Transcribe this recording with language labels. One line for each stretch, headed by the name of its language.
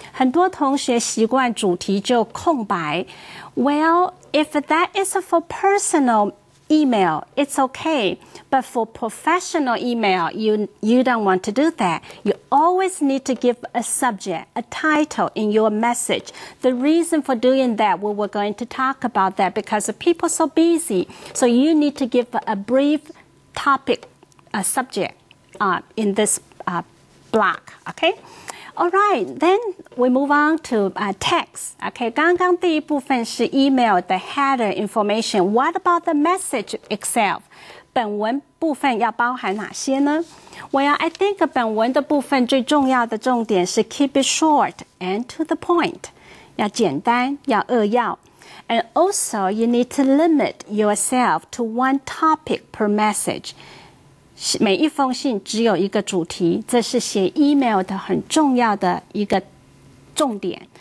Chinese: 很多同学习惯主题就空白。
English: Well, if that is for personal email, it's okay. But for professional email, you don't want to do that. You always need to give a subject, a title in your message. The reason for doing that, we were going to talk about that because people are so busy. So you need to give a brief topic, a subject. In this block, okay? All right, then we move on to text, okay?
Chinese: 刚刚第一部分是 email 的 header information.
English: What about the message itself?
Chinese: 本文部分要包含哪些呢？
English: Well, I think
Chinese: 本文的部分最重要的重点是
English: keep it short and to the point.
Chinese: 要简单，要扼要。
English: And also, you need to limit yourself to one topic per message.
Chinese: 每一封信只有一个主题，这是写 email 的很重要的一个重点。